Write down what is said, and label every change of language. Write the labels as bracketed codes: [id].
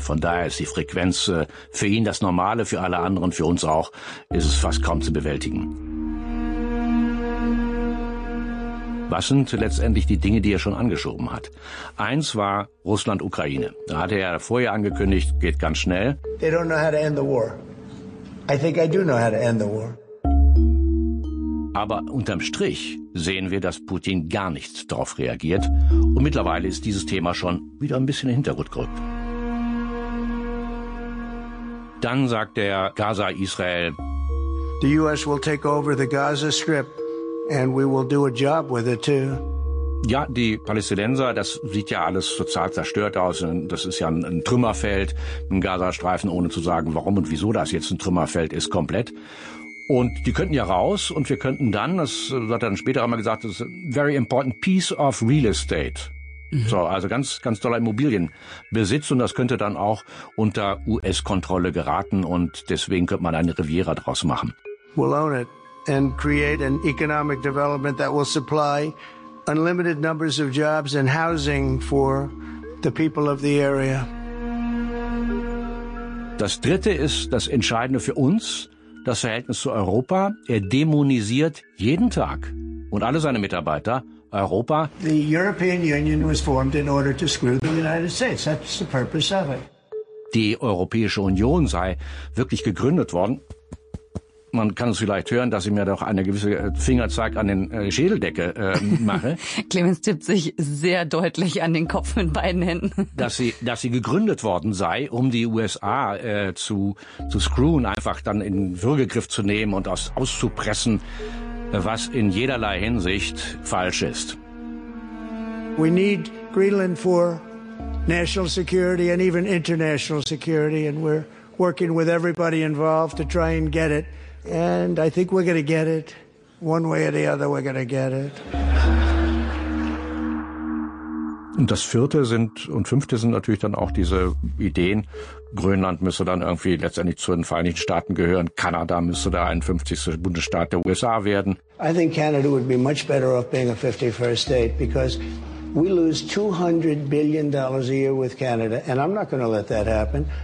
[de] Von daher ist die Frequenz für ihn das Normale, für alle anderen, für uns auch, ist es fast kaum zu bewältigen. Was sind letztendlich die Dinge, die er schon angeschoben hat? Eins war Russland-Ukraine. Da hatte er vorher angekündigt, geht ganz schnell. [en] They don't know how to end the war. I think I do know how to end the war. [de] Aber unterm Strich sehen wir, dass Putin gar nicht darauf reagiert. Und mittlerweile ist dieses Thema schon wieder ein bisschen in den Hintergrund gerückt. Dann sagt er Gaza, Israel. [en] The US will take over the Gaza Strip and we will do a job with it too. [de] Ja, die Palästinenser, das sieht ja alles total zerstört aus. Das ist ja ein Trümmerfeld, ein Gazastreifen, ohne zu sagen, warum und wieso das jetzt ein Trümmerfeld ist, komplett. Und die könnten ja raus und wir könnten dann, das hat er dann später einmal gesagt, das ist [en] a very important piece of real estate. [de] Mhm. So, also ganz, ganz toller Immobilienbesitz und das könnte dann auch unter US-Kontrolle geraten und deswegen könnte man eine Riviera draus machen. [en] We'll own it and create an economic development that will supply unlimited numbers of jobs and housing for the people of the area. [de] Das dritte ist das Entscheidende für uns. Das Verhältnis zu Europa, er dämonisiert jeden Tag und alle seine Mitarbeiter Europa. [en] The European Union was formed in order to screw the United States. That's the purpose of it. [de] Die Europäische Union sei wirklich gegründet worden. Man kann es vielleicht hören, dass ich mir doch eine gewisse Fingerzeig an den Schädeldecke mache. Clemens tippt sich sehr deutlich an den Kopf mit beiden Händen. Dass sie gegründet worden sei, um die USA zu screwen, einfach dann in Würgegriff zu nehmen und auszupressen, was in jederlei Hinsicht falsch ist. [en] We need Greenland for national security and even international security and we're working with everybody involved to try and get it. And I think we're gonna get it. One way or the other, we're gonna get it. [de] Und das vierte sind und fünfte sind natürlich dann auch diese Ideen. Grönland müsse dann irgendwie letztendlich zu den Vereinigten Staaten gehören. Kanada müsse der 51. Bundesstaat der USA werden. [en] I think Canada would be much better off being a 51st state because we lose $200 billion a year with Canada, and I'm not gonna let that happen.